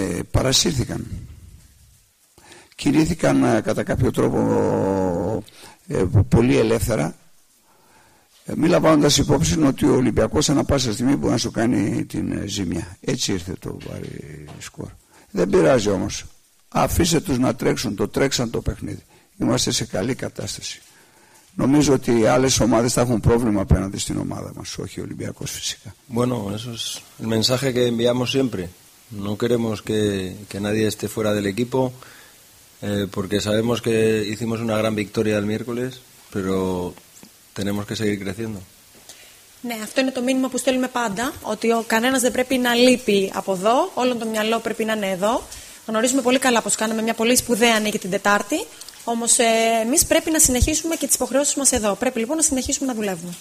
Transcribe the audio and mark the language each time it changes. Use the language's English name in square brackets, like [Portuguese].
[Greek] Παρασύρθηκαν. Κινήθηκαν κατά κάποιο τρόπο πολύ ελεύθερα, μη λαμβάνοντας υπόψη ότι ο Ολυμπιακός ανά πάσα στιγμή μπορεί να σου κάνει την ζημιά. Έτσι ήρθε το βαρύ σκορ. Δεν πειράζει όμως. Αφήστε τους να τρέξουν. Το τρέξαν το παιχνίδι. Είμαστε σε καλή κατάσταση. Νομίζω ότι οι άλλες ομάδες θα έχουν πρόβλημα απέναντι στην ομάδα μας, όχι ο Ολυμπιακός φυσικά. [Spanish] Bueno, eso es el mensaje que enviamos siempre. No queremos que nadie esté fuera del equipo, porque sabemos que hicimos una gran victoria el miércoles, pero tenemos que seguir creciendo. [Greek] Ναι, αυτό είναι το μήνυμα που στέλνουμε πάντα, ότι κανένας δεν πρέπει να λείπει από εδώ, όλο το μυαλό πρέπει να είναι εδώ. Γνωρίζουμε πολύ καλά πως κάναμε μια πολύ σπουδαία νίκη την Τετάρτη. Όμως εμείς πρέπει να συνεχίσουμε και τις υποχρεώσεις μας εδώ. Πρέπει λοιπόν να συνεχίσουμε να δουλεύουμε.